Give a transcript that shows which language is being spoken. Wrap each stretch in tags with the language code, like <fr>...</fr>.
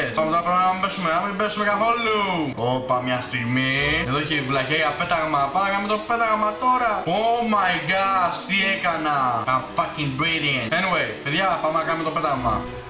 <el>Πάμε τώρα να μην πέσουμε καθόλου. Όπα, μια στιγμή. Εδώ έχει βλαχιά για πέταγμα. Πάμε να κάνουμε το πέταγμα τώρα.</el> <en>Oh my gosh,</en> <el>τι έκανα.</el> <en>I'm fucking brilliant.</en> <el>Anyway, παιδιά, πάμε να κάνουμε το πέταγμα.</el>